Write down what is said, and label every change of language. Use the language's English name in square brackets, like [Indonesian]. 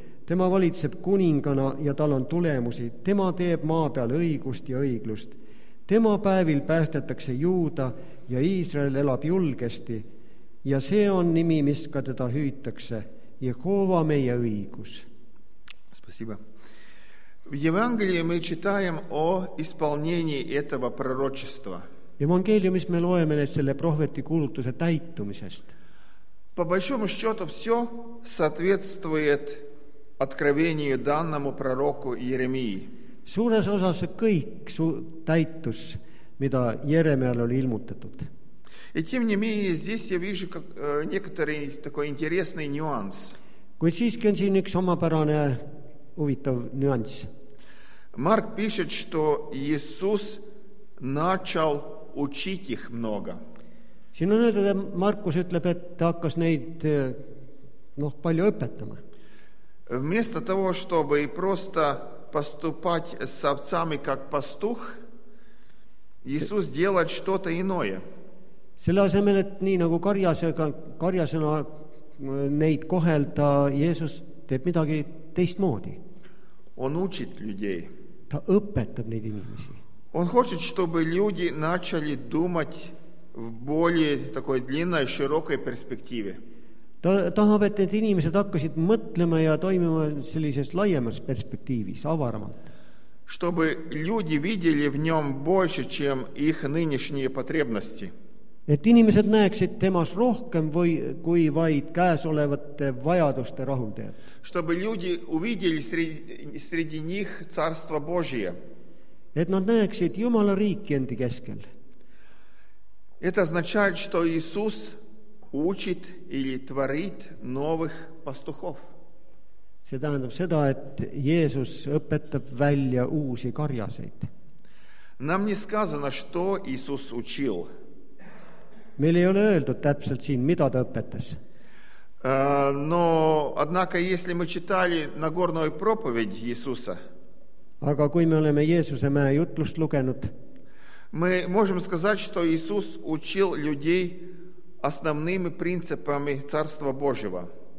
[Estonian] Tema valitseb kuningana ja tal on tulemusi. Tema teeb maa peal õigust ja õiglust. Tema päevil päästetakse Juuda ja Iisrael elab julgesti. Ja see on nimi, mis ka teda hüütakse. Jehova meie õigus. [Russian] Спасибо. В Евангелии мы читаем о исполнении этого пророчества. [Estonian] Евангелиумис me loeme nüüd selle prohveti kuulutuse täitumisest. [Russian] По большому счету все соответствует откровению данному пророку Иеремии. [Estonian] Suures osas kõik täitus, mida Jeremial oli ilmutatud. [Russian] И тем не менее, здесь я вижу как некоторый такой интересный нюанс. [Estonian] Kui siiski on siin üks omapärane huvitav nüanss. [Russian] Марк пишет, что Иисус начал учить их много. [Estonian] Siin on öelda, Markus ütleb, et ta hakkas neid palju õpetama. [Russian] Вместо того, чтобы просто поступать с овцами как пастух, Иисус делает что-то иное. [Estonian] Selle asemel, et nii nagu karjasena neid kohelda, Jeesus teeb midagi teistmoodi. [Russian] Он учит людей. [Estonian] Ta õpetab neid inimesi. [Russian] Он хочет, чтобы люди начали думать в более такой длинной, широкой перспективе. [Estonian] Tahab, et need inimesed hakkasid mõtlema ja toimima sellises laiemas perspektiivis, avaramalt. [Russian] Чтобы люди видели в нем больше, чем их нынешние потребности. [Estonian] Et inimesed näeksid temas rohkem või kui vaid käesolevate vajaduste rahuldajat. [Russian] Чтобы люди увидели среди них царство Божие. [Estonian] Et nad näeksid Jumala riiki endi keskel. [Russian] Это означает, что Иисус учит или творит новых пастухов. [Estonian] See tähendab seda, et Jeesus õpetab välja uusi karjaseid. [Russian] Нам не сказано, что Иисус учил. [Estonian] Meil ei ole öeldud täpselt siin, mida ta õpetas. [Russian] Но, однако, если мы читали Нагорную проповедь Иисуса, [Estonian] aga kui me oleme Jeesuse mäe jutlust lugenud, [Russian] мы можем сказать, что Иисус учил людей основными принципами Царства Божьего.